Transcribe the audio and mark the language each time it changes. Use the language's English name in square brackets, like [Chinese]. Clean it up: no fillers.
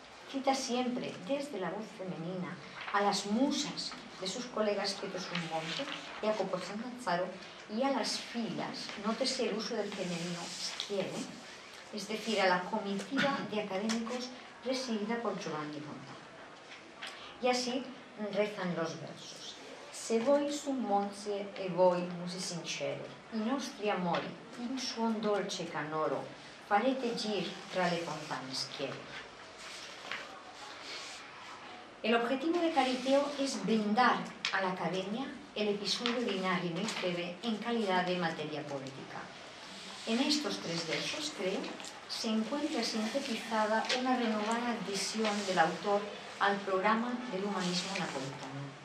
[Spanish] Cita siempre, desde la voz femenina, a las musas de sus colegas Petos Unmonte y a Coporzán Lanzaro, y a las filas, nótese el uso del femenino, si quiere, es decir, a la comitiva de académicos presidida por Giovanni Monta. Y así, rezan los versos. [Italian] Se voi sum monse e voi musi sincere, i nostri amori, in suon dolce canoro, farete gir tra le fontane schiere. [Spanish] El objetivo de Cariteo es brindar a la academia el episodio de Inárime y Febe en calidad de materia poética. En estos tres versos, creo, se encuentra sintetizada una renovada adhesión del autor al programa del humanismo napolitano.